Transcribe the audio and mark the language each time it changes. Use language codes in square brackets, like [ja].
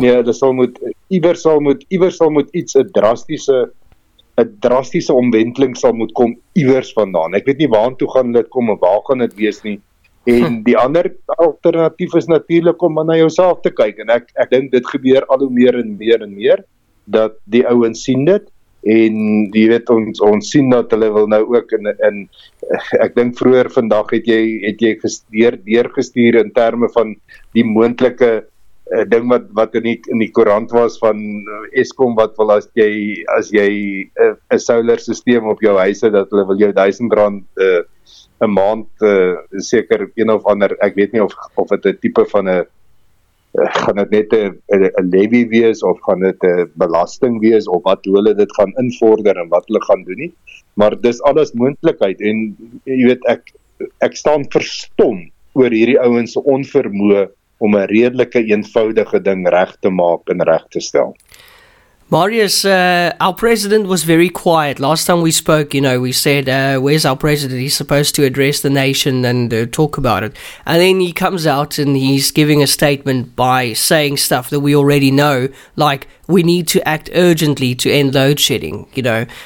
[af] Nee, iewers sal moet iets, een drastiese omwenteling sal moet kom iewers vandaan. Ek weet nie waar toe gaan dit kom en waar gaan dit wees nie. En die ander alternatief is natuurlik om maar na jouself te kyk, en ek dink dit gebeur al hoe meer en meer en meer, dat die ouens sien dit, en jy weet, ons sien dat hulle wil nou ook, en ek dink vroeger vandag het jy deurgestuur in terme van die moontlike ding wat in die koerant was van Eskom, wat wil as jy 'n solar systeem op jou huis het, dat hulle wil jou 1000 rand een maand, seker een of ander, ek weet nie of het een type van gaan dit net 'n levy wees of gaan dit 'n belasting wees of wat hulle dit gaan invorder en wat hulle gaan doen nie. Maar dis alles moontlikheid en jy weet ek staan verstom oor hierdie ouens se onvermoë om 'n redelike eenvoudige ding reg te maak en reg te stel. [en] Marius, our president was very quiet. Last time we spoke, you know, we said, where's our president? He's supposed to address the nation and talk about it. And then he comes out and he's giving a statement by saying stuff that we already know, like we need to act urgently to end load shedding, you know.